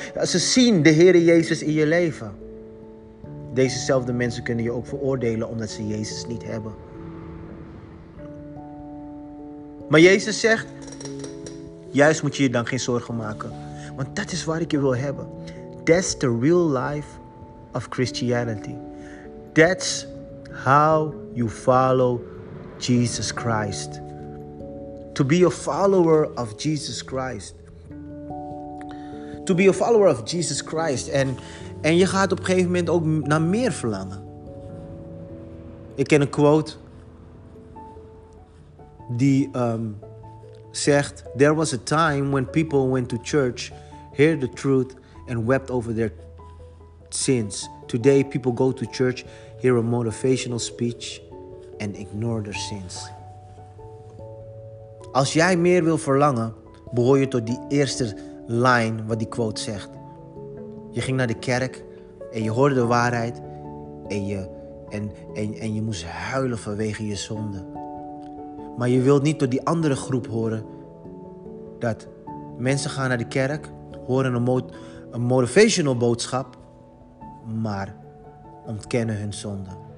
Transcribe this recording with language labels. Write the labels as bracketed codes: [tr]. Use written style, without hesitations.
[nl] Ze zien de Heere Jezus in je leven. Dezezelfde mensen kunnen je ook veroordelen omdat ze Jezus niet hebben. Maar Jezus zegt, juist moet je je dan geen zorgen maken. Want dat is waar ik je wil hebben. [en] That's the real life of Christianity. That's how you follow Jesus Christ. To be a follower of Jesus Christ. To be a follower of Jesus Christ. [nl] En je gaat op een gegeven moment ook naar meer verlangen. Ik ken een quote die zegt: [en] "There was a time when people went to church, heard the truth and wept over their sins. Today people go to church, hear a motivational speech and ignore their sins." [nl] Als jij meer wil verlangen, behoor je tot die eerste lijn wat die quote zegt. Je ging naar de kerk en je hoorde de waarheid en je moest huilen vanwege je zonde. Maar je wilt niet tot die andere groep horen dat mensen gaan naar de kerk, horen een motivational boodschap, maar ontkennen hun zonde.